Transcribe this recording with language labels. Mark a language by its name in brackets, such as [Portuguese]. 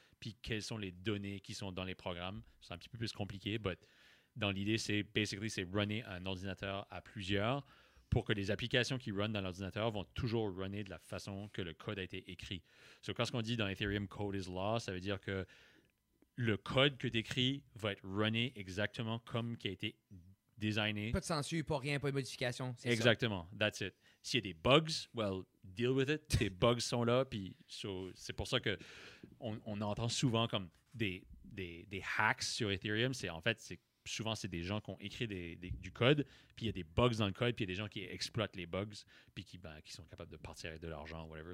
[French] Puis, quelles sont les données qui sont dans les programmes? C'est un petit peu plus compliqué, mais dans l'idée, c'est runner un ordinateur à plusieurs pour que les applications qui runnent dans l'ordinateur vont toujours runner de la façon que le code a été écrit. So, quand on dit dans Ethereum, [English] code is law, [French] ça veut dire que le code que tu écris va être runné exactement comme qui a été designé. Pas de censure, pas rien, pas de modification. C'est exactement, ça. [English] That's it. [French] S'il y a des bugs, [English] well, deal with it. [French] Tes bugs sont là, puis c'est pour ça que. On entend souvent comme des hacks sur Ethereum. C'est souvent des gens qui ont écrit du code, puis il y a des bugs dans le code, puis il y a des gens qui exploitent les bugs, puis qui sont capables de partir avec de l'argent, whatever.